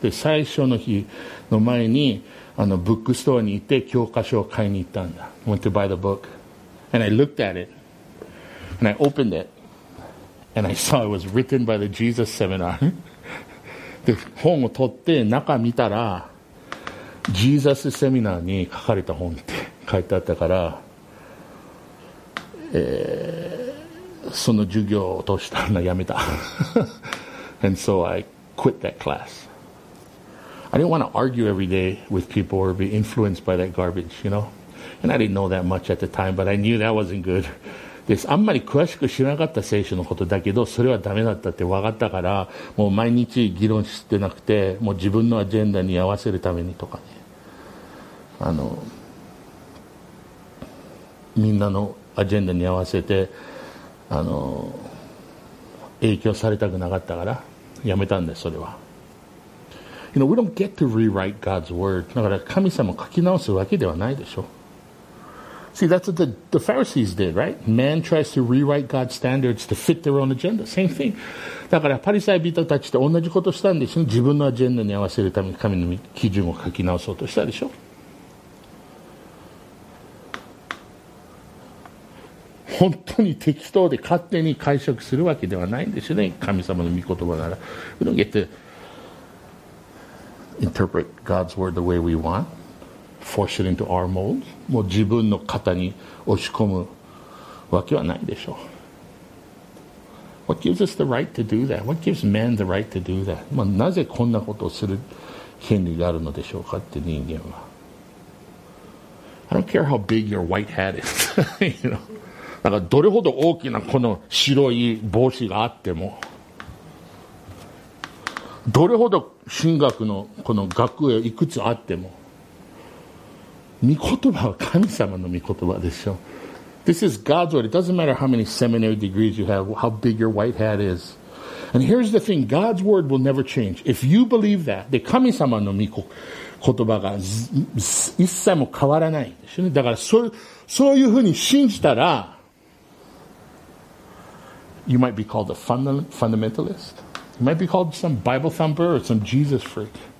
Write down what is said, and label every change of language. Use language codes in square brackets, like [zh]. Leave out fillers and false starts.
[ja] で、最初の日の前に、ブックストアに行って教科書を買いに行ったんだ。 [en] I went to buy the book. And I looked at it. And I opened it. And I saw it was written by the Jesus Seminar. [ja] で、本を取って中見たら、ジーザスセミナーに書かれた本って書いてあったから、その授業を通したらやめた。 [en] And so I quit that class. I didn't want to argue every day with people or be influenced by that garbage, you know? And I didn't know that much at the time, but I knew that wasn't good. [ja] です。あんまり詳しく知らなかった聖書のことだけど、それはダメだったって分かったから、もう毎日議論してなくて、もう自分のアジェンダに合わせるためにとかね。みんなのアジェンダに合わせて影響されたくなかったからやめたんです。それは [en] You know, we don't get to rewrite God's word. [ja] だから神様書き直すわけではないでしょ。 [en] See, that's what the Pharisees did, right? Man tries to rewrite God's standards to fit their own agenda. Same thing. [ja] だからパリサイ人たちって同じことしたんでしょ。自分のアジェンダに合わせるために神の基準を書き直そうとしたでしょ。本当に適当で勝手に解釈するわけではないんですよね。神様の御言葉なら。 [en] We don't get to interpret God's word the way we want. Force it into our mold. [ja] もう自分の型に押し込むわけはないでしょう。 [en] What gives us the right to do that? What gives man the right to do that? [ja] まあ、なぜこんなことをする権利があるのでしょうかって人間は。 [en] I don't care how big your white hat is. you know? [ja] だからどれほど大きなこの白い帽子があっても、どれほど神学のこの学位いくつあっても、御言葉は神様の御言葉でしょ。 [en] This is God's word. It doesn't matter how many seminary degrees you have, how big your white hat is. And here's the thing: God's word will never change. If you believe that, [ja] で神様の御言葉が一切も変わらないんですよね。だからそういうふうに信じたら。 [en] You might be called a fundamentalist. You might be called some Bible thumper or some Jesus freak.